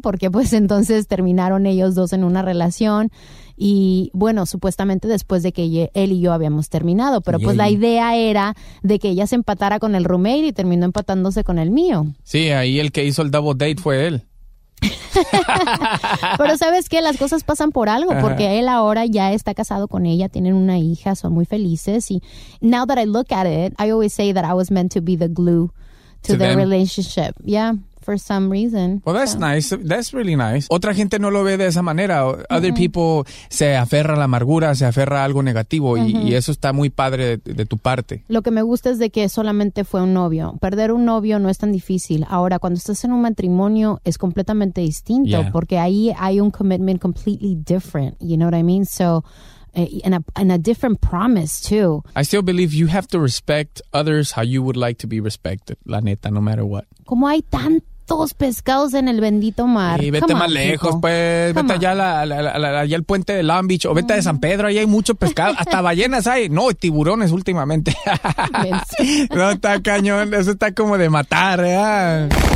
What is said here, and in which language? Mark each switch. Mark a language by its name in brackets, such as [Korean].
[Spanish] Porque pues entonces terminaron ellos dos en una relación y bueno, supuestamente después de que él y yo habíamos terminado, pero pues la idea era de que ella se empatara con el roommate y terminó empatándose con el mío. Sí, ahí el que hizo el double date fue él. Pero sabes que las cosas pasan por algo, porque él ahora ya está casado con ella, tienen una hija, son muy felices. Y [English] now that I look at it, I always say that I was meant to be the glue to their relationship. Yeah, for some reason. Well, that's nice. That's really nice. [Spanish] Otra gente no lo ve de esa manera. [English] Other people [Spanish] se aferra a la amargura, se aferra a algo negativo, y eso está muy padre de tu parte. Lo que me gusta es de que solamente fue un novio. Perder un novio no es tan difícil. Ahora, cuando estás en un matrimonio, es completamente distinto, porque ahí hay un commitment [English] completely different. You know what I mean? So, and a different promise too. I still believe you have to respect others how you would like to be respected. [Spanish] La neta, [English] no matter what. [Spanish] Como hay tantos pescados en el bendito mar. Y vete más lejos, pues. Vete allá al puente de Long Beach. O vete a San Pedro, ahí hay mucho pescado. Hasta ballenas hay. No, tiburones últimamente. No, está cañón. Eso está como de matar, ¿eh?